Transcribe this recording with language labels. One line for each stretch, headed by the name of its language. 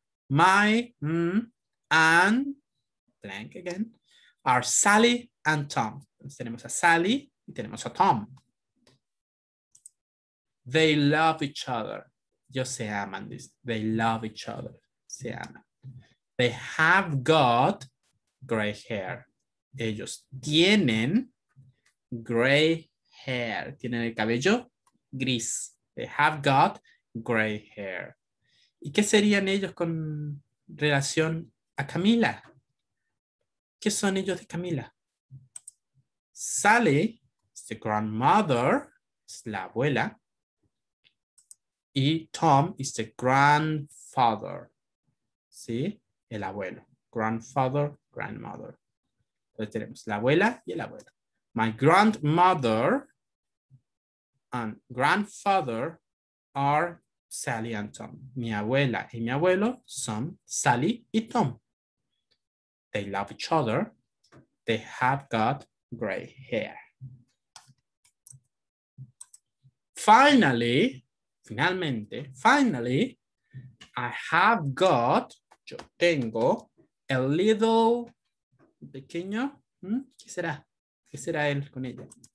English: My and blank again are Sally and Tom.
Spanish: Entonces tenemos a Sally y tenemos a Tom.
English: They love each other.
Spanish: Ellos se aman.
English: They love each other.
Spanish: Se aman.
English: They have got gray hair.
Spanish: Ellos tienen
English: gray hair.
Spanish: Tienen el cabello gris.
English: They have got gray hair.
Spanish: ¿Y qué serían ellos con relación a Camila? ¿Qué son ellos de Camila?
English: Sally is the grandmother.
Spanish: Es la abuela. Y Tom
English: is the grandfather,
Spanish: ¿sí? El abuelo.
English: grandfather, grandmother.
Spanish: Entonces tenemos la abuela y el abuelo.
English: My grandmother and grandfather are Sally and Tom.
Spanish: Mi abuela y mi abuelo son Sally y Tom.
English: They love each other. They have got gray hair. Finally, I have got,
Spanish: yo tengo
English: a little
Spanish: pequeño. ¿Qué será? ¿Qué será él con ella?